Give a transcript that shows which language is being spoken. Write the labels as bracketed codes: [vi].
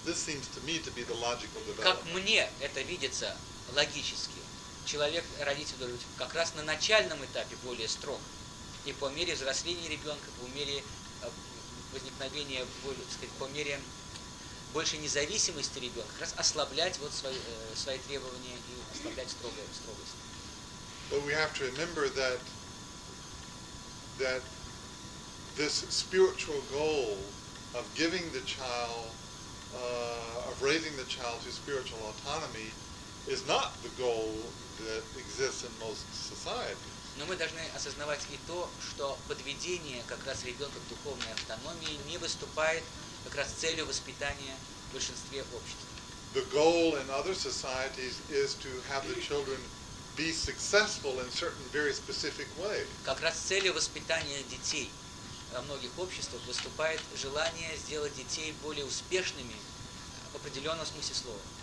[en] This seems to me to be the logical development. [ru] Как мне это видится логически? Человек, родитель должен быть как раз на начальном этапе более строг, и по мере взросления ребенка, по мере возникновения, по мере большей независимости ребенка, как раз ослаблять вот свои требования и ослаблять строгость. [en] But we have to remember that this spiritual goal of giving the child, of raising the child to spiritual autonomy is not the goal that exists in most societies. [ru] Но мы должны осознавать и то, что подведение как раз ребенка к духовной автономии не выступает как раз целью воспитания в большинстве общества. [en] The goal in other societies is to have the children be successful in certain very specific ways. [ru] Как раз целью воспитания детей во многих обществах выступает желание сделать детей более успешными в определенном смысле слова.